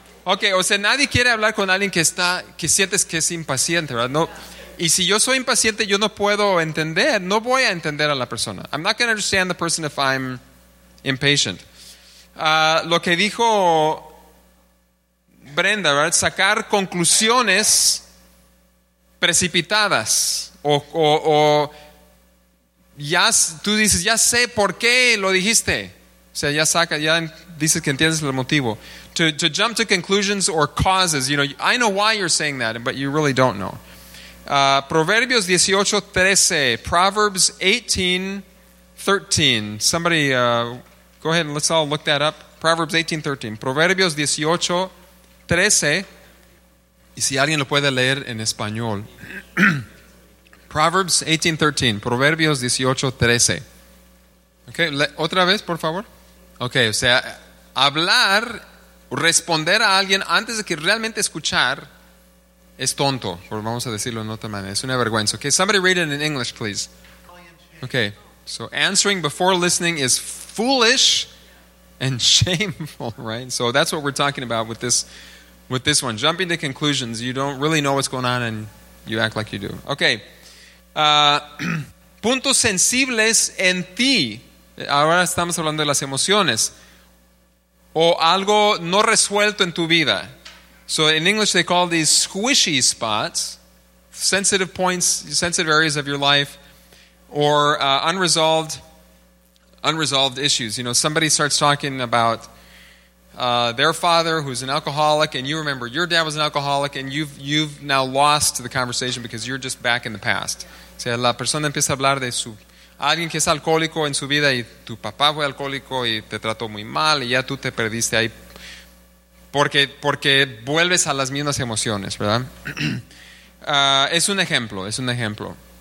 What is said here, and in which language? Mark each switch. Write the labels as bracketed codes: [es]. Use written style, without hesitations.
[es] Okay, o sea, nadie quiere hablar con alguien que sientes que es impaciente, ¿verdad? No. Y si yo soy impaciente, yo no puedo entender, no voy a entender a la persona. [en] I'm not going to understand the person if I'm impatient. [es] Lo que dijo Brenda, ¿verdad? Sacar conclusiones precipitadas o ya tú dices, ya sé por qué lo dijiste. O sea, ya dices que entiendes el motivo. [en] To jump to conclusions or causes, you know, I know why you're saying that, but you really don't know. [es] Proverbios 18:13, Proverbs 18:13. [en] Somebody, go ahead and let's all look that up. Proverbs 18:13. Proverbios 18:13. [es] Y si alguien lo puede leer en español. Proverbs 18:13. Proverbios 18:13. Okay, otra vez, por favor. Okay, o sea, hablar, responder a alguien antes de que realmente escuchar es tonto, por vamos a decirlo en otra manera, es una vergüenza. [en] Okay, somebody read it in English, please. Okay, so answering before listening is foolish and shameful, right? So that's what we're talking about with this one. Jumping to conclusions, you don't really know what's going on and you act like you do. [es] Okay, puntos sensibles en ti. Ahora estamos hablando de las emociones. O algo no resuelto en tu vida. [en] So in English they call these squishy spots, sensitive points, sensitive areas of your life, or unresolved issues. You know, somebody starts talking about their father who's an alcoholic, and you remember your dad was an alcoholic, and you've now lost the conversation because you're just back in the past. [es] O sea, la persona empieza a hablar de su... Alguien que es alcohólico en su vida y tu papá fue alcohólico y te trató muy mal y ya tú te perdiste ahí porque vuelves a las mismas emociones, ¿verdad? Es un ejemplo.